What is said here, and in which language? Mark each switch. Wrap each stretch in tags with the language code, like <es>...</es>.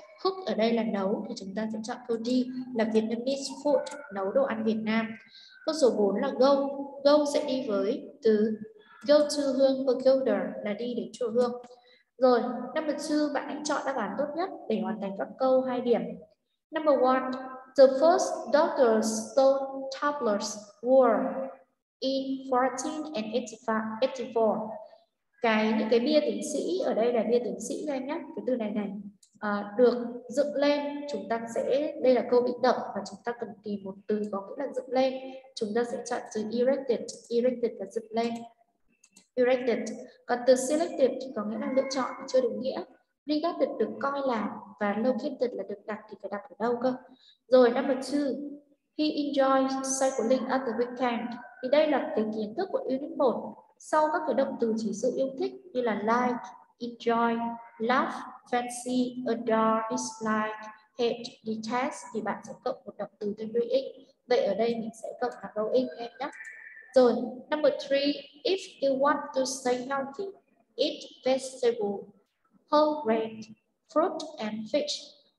<vi>Cook ở đây là nấu, thì chúng ta sẽ chọn câu D, là</vi> <en>Vietnamese food,</en> <vi>nấu đồ ăn Việt Nam. Câu số 4 là go. Go sẽ đi với từ</vi> <en>go to Hương Pagoda,</en> <vi>là đi đến chùa Hương. Rồi, number 2, bạn hãy chọn đáp án tốt nhất để hoàn thành các câu 2 điểm.</vi> <en>Number 1, the first doctor's stone tablets were in 1484.</en> <vi>Những cái bia tiến sĩ, ở đây là bia tiến sĩ em nhé, cái từ này này, được dựng lên, chúng ta sẽ, đây là câu bị động và chúng ta cần tìm một từ có nghĩa là dựng lên. Chúng ta sẽ chọn từ erected, erected là dựng lên, erected. Còn từ selected thì có nghĩa là lựa chọn, chưa đúng nghĩa. Regarded được coi là và located là được đặt thì phải đặt ở đâu cơ.</vi> <en>Rồi number 2, he enjoys cycling at the weekend.</en> <vi>Thì đây là cái kiến thức của unit 1. Sau các cái động từ chỉ sự yêu thích như là like, enjoy, love, fancy, adore, dislike, hate, detest thì bạn sẽ cộng một động từ thêm doing. Vậy ở đây mình sẽ cộng là going em nhé.</vi> <en>Rồi number 3, if you want to stay healthy, eat vegetables, whole grain, fruit and fish.</en>